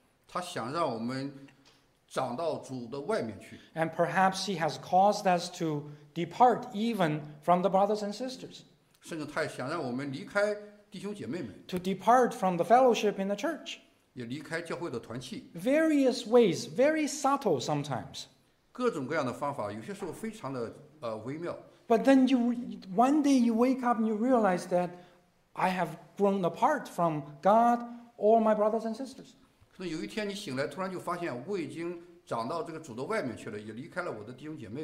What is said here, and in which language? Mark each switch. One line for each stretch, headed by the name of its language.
Chinese: 他想让我们长到主的外面去。
English: And perhaps he has caused us to depart even from the brothers and sisters.
Chinese: 甚至他也想让我们离开弟兄姐妹们。
English: To depart from the fellowship in the church.
Chinese: 也离开教会的团契。
English: Various ways, very subtle sometimes.
Chinese: 各种各样的方法，有些时候非常的微妙。
English: But then you, one day you wake up and you realize that I have grown apart from God or my brothers and sisters.
Chinese: 可能有一天你醒来，突然就发现我已经长到这个主的外面去了，也离开了我的弟兄姐妹。